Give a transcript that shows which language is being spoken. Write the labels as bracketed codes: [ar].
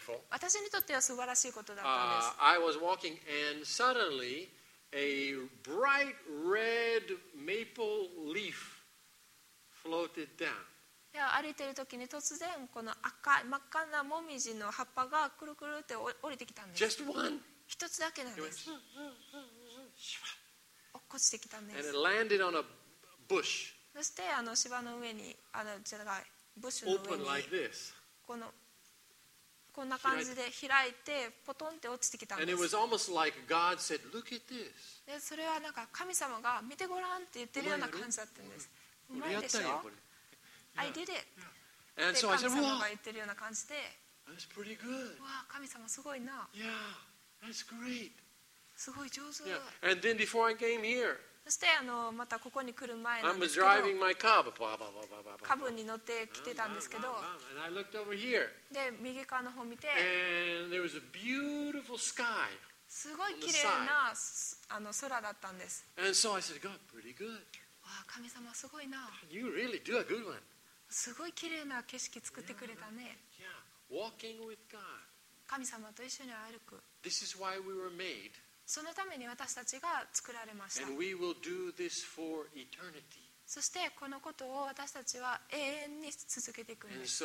[ja] 私にとっては素晴らしいことだったんです。 [en] I was walking and suddenly a bright red maple leaf floated down. [ja] 歩いている時に突然この赤い真っ赤なモミジの葉っぱがくるくるって降りてきたんです。 [en] Just one. [ja] 一つだけなんです。落ちてきたんです。 [en] And it landed on a bush. [ja] そしてあの芝の上にあのじゃがブッシュの上に、 [en] like、 [ja] このこんな感じで開いてポトンって落ちてきたんです。 [en] And it was almost like God said, "Look at this." [ja] でそれはなんか神様が見てごらんって言ってるような感じだったんです。うまいでしょ。 [en] Yeah. I did it. Yeah. And so I said, "Wow." [ja] 神様が言ってるような感じで。 [en] That's pretty good. [ja] わあ神様すごいな。 [en] Yeah, that's great. [ja] すごい上手。 [en] Yeah. And then before I came here, [ja] そしてあのまたここに来る前なんですけど、 [en] I was driving my car, blah, blah, blah, blah, blah, blah. [ja] カブに乗ってきてたんですけど、 [en] And I looked over here. [ja] で右側の方見て、 [en] And there was a beautiful sky. [ja] すごい綺麗なあの空だったんです。 [en] And so I said, God, pretty good. [ja] わあ神様すごいな。 [en] You really do a good one. [ja] すごい綺麗な景色作ってくれたね。 [en] Yeah. Walking with God. [ja] 神様と一緒に歩く。 [en] This is why we were made. [ja] そのために私たちが作られました。 [en] And we will do this for eternity. [ja] そしてこのことを私たちは永遠に続けていくんです。